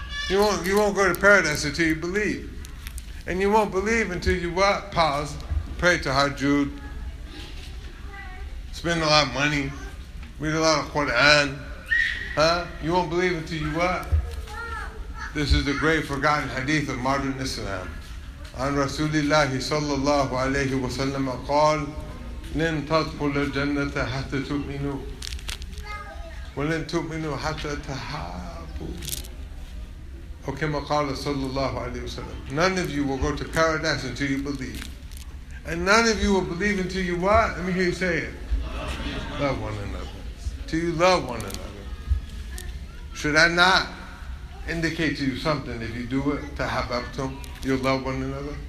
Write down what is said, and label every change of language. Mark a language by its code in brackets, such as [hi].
[en] You won't go to paradise until you believe. And you won't believe until you pause, pray to Hajjud, spend a lot of money, read a lot of Quran. You won't believe until you This is the great forgotten hadith of modern Islam. [ar] An Rasulillah sallallahu alayhi wa sallam qal, لن تدخل الجنة حتى تؤمنوا ولن تؤمنوا حتى تحابوا وكما قال صلى الله عليه وسلم. [en] None of you will go to paradise until you believe. And none of you will believe until you what? Let me hear you say it. Love one another. Till you love one another. Should I not indicate to you something if you do it? [ar] تحببتم. [en] You'll love one another.